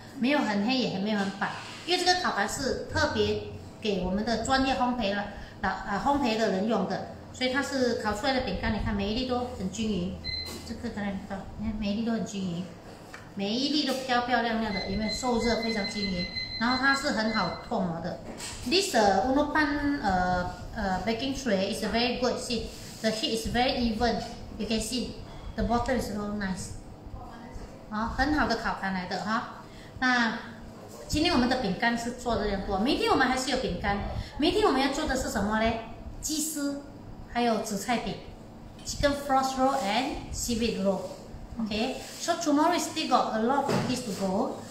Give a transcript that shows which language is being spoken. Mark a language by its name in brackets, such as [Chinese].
[Chinese] 没有很黑，也没有很白，因为这个烤盘是特别给我们的专业烘焙了，烘焙的人用的，所以它是烤出来的饼干，你看每一粒都很均匀。这个刚才你看，每一粒都很均匀，每一粒都漂漂亮亮的，因为受热非常均匀，然后它是很好脱模的。 [English] This Uno Pan baking tray is very good. See, the heat is very even. You can see the bottom is so nice. [Chinese] 好，很好的烤盘来的哈。那今天我们的饼干是做的这样多，明天我们还是有饼干。明天我们要做的是什么呢？鸡丝，还有紫菜饼。 [English] Chicken frost roll and seaweed roll. Okay, so tomorrow is still got a lot of cookies to go.